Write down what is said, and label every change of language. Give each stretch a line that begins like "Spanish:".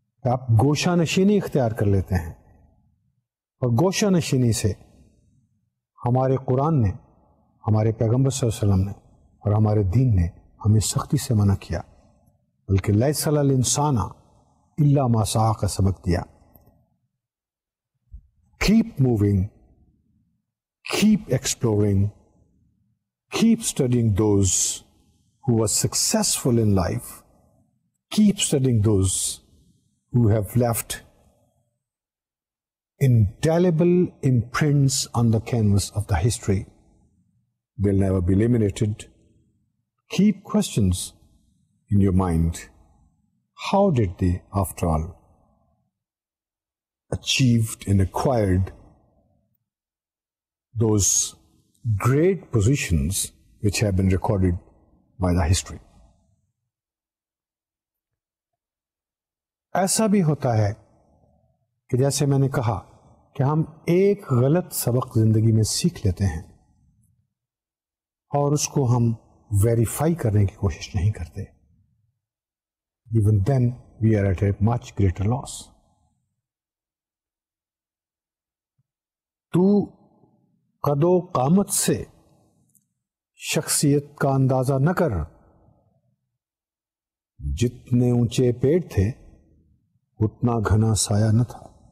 Urdu: آپ گوشہ نشینی اختیار کر لیتے ہیں, اور گوشہ نشینی سے ہمارے قرآن نے, ہمارے پیغمبر صلی اللہ علیہ وسلم نے, اور ہمارے دین نے ہمیں سختی سے منع کیا. بلکہ
Arabic: لیس الانسان الا ما سعى
Urdu: کا سبق دیا.
English: Keep moving, keep exploring, keep studying those who were successful in life, keep studying those who have left indelible imprints on the canvas of the history. They'll never be eliminated. Keep questions in your mind. How did they, after all, achieved and acquired those great positions which have been recorded by the history.
Urdu: ایسا بھی ہوتا ہے کہ جیسے میں نے کہا کہ ہم ایک غلط سبق زندگی میں سیکھ لیتے ہیں اور اس کو ہم ویریفائی کرنے کی کوشش نہیں کرتے.
English: Even then we are at a much greater loss.
Urdu: تو قد و قامت سے شخصیت کا اندازہ نہ کر, جتنے اونچے پیڑ تھے اتنا گھنا سایہ نہ تھا.